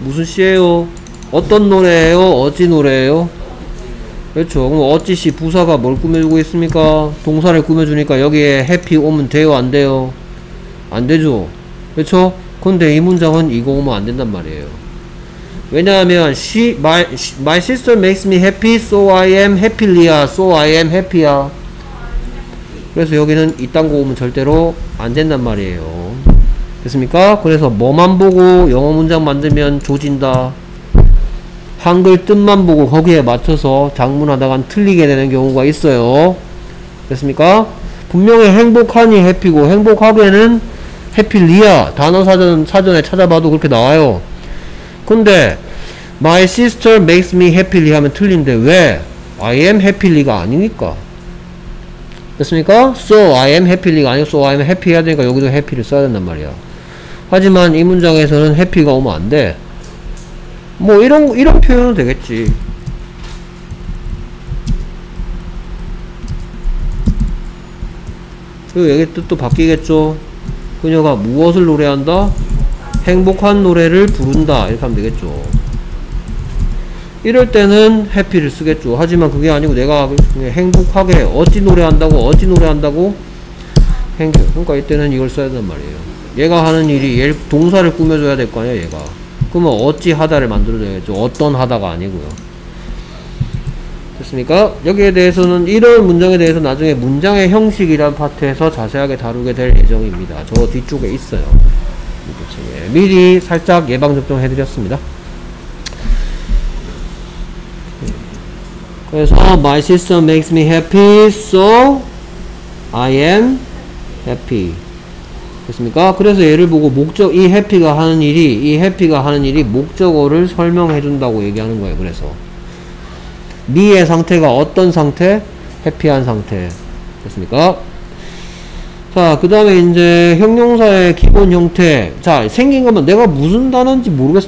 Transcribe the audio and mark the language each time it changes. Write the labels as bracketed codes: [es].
[ko] 무슨 시예요? 어떤 노래예요? 어찌 노래예요? 그렇죠. 그럼 어찌 시 부사가 뭘 꾸며주고 있습니까? 동사를 꾸며주니까 여기에 happy 오면 돼요? 안 돼요? 안 되죠. 그렇죠? 근데 이 문장은 이거 오면 안 된단 말이에요. 왜냐하면 [en] my sister makes me happy, so I am happily야, so I am happy야. [ko] 그래서 여기는 이딴 거 오면 절대로 안 된단 말이에요. 됐습니까? 그래서 뭐만 보고 영어 문장 만들면 조진다. 한글 뜻만 보고 거기에 맞춰서 작문하다간 틀리게 되는 경우가 있어요. 됐습니까? 분명히 행복하니 happy고 행복하게는 happily야. 단어 사전에 찾아봐도 그렇게 나와요. [en] 근데 My sister makes me happily [ko] 하면 틀린데 왜? [en] I am happily가 아니니까. [ko] 됐습니까? [en] So I am happily [ko] 가 아니고 [en] So I am happy [ko] 해야 되니까 여기도 happy를 써야 된단 말이야. 하지만 이 문장에서는 happy가 오면 안 돼. 뭐 이런 표현은 되겠지. 그리고 여기 뜻도 바뀌겠죠. 그녀가 무엇을 노래한다? 행복한 노래를 부른다. 이렇게 하면 되겠죠. 이럴 때는 해피를 쓰겠죠. 하지만 그게 아니고 내가 행복하게 어찌 노래한다고 어찌 노래한다고 행복. 그러니까 이때는 이걸 써야 된단 말이에요. 얘가 하는 일이 얘 동사를 꾸며줘야 될 거 아니야. 얘가 그러면 어찌 하다를 만들어줘야죠. 어떤 하다가 아니고요. 됐습니까? 여기에 대해서는 이런 문장에 대해서 나중에 문장의 형식이란 파트에서 자세하게 다루게 될 예정입니다. 저 뒤쪽에 있어요. 미리 살짝 예방접종 해드렸습니다. [en] 그래서 My sister makes me happy, so I am happy. [ko] 됐습니까? 그래서 얘를 보고 목적 이 happy가 하는 일이 이 happy가 하는 일이 목적어를 설명해준다고 얘기하는 거예요. 그래서 me의 상태가 어떤 상태? happy한 상태. 됐습니까? 자, 그 다음에 이제 형용사의 기본 형태. 자, 생긴 것만 내가 무슨 단어인지 모르겠어.